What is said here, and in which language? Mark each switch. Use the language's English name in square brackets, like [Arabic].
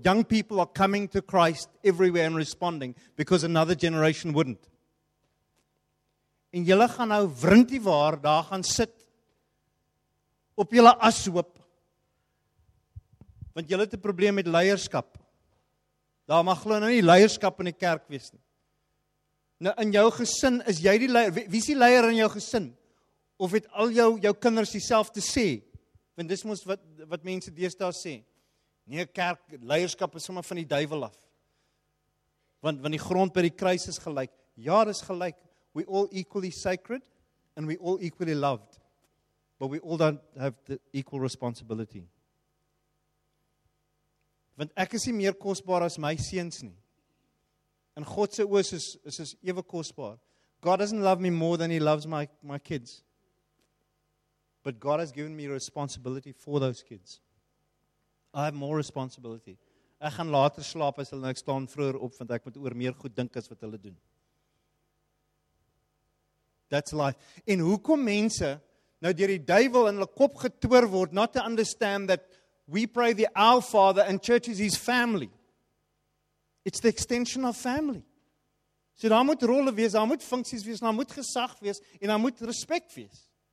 [English] Young people are coming to Christ everywhere and responding because another generation wouldn't. [Afrikaans] En julle gaan nou wrintie waar daar gaan sit op julle ashoop. Want julle het 'n probleem met leierskap. Daar mag glo nou nie leierskap in die kerk wees nie. Nou in jou gesin is jy die leier. Wie is die leier in jou gesin? Of het al jou kinders dieselfde sê? Want dis mos wat mense deesdae sê. Nee, kerk leierskap is sommer van die duivel af. Want die grond by die kruis is gelyk. Ja, dis gelyk. [English] We all equally sacred and we all equally loved. But we all don't have the equal responsibility. [Afrikaans] Want ek is nie meer kosbaar as my seuns nie. In God se oë is ewe kosbaar. [English] God doesn't love me more than he loves my kids. But God has given me responsibility for those kids. I have more responsibility. [Afrikaans] Ek gaan later slaap as hulle, ek staan vroeër op want ek moet oor meer goed dink as wat hulle doen. [English] That's life. [Afrikaans] En hoekom mense nou deur die duivel in hulle kop getoer word [English] not to understand that we pray the Our Father and church is his family. It's the extension of family. [Afrikaans] So daar moet rolle wees, daar moet funksies wees, daar moet gesag wees en daar moet respek wees.